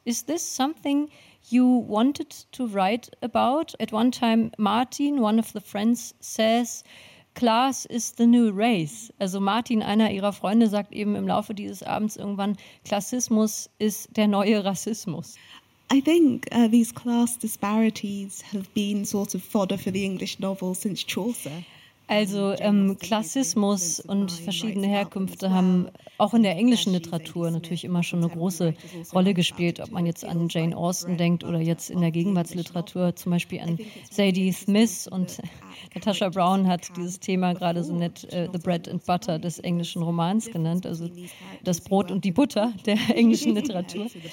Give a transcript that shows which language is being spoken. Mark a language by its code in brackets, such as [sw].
[en] Is this something you wanted to write about? At one time, Martin, one of the friends, says, Class is the new race. [de] Also Martin, einer ihrer Freunde, sagt eben im Laufe dieses Abends irgendwann, Klassismus ist der neue Rassismus. [en] I think these class disparities have been sort of fodder for the English novel since Chaucer. [de] Also Klassismus und verschiedene Herkünfte haben auch in der englischen Literatur natürlich immer schon eine große Rolle gespielt, ob man jetzt an Jane Austen denkt oder jetzt in der Gegenwartsliteratur zum Beispiel an Zadie Smith. Und Natasha Brown hat dieses Thema gerade so nett [en] The Bread and Butter [de] des englischen Romans genannt, also das Brot und die Butter der englischen Literatur.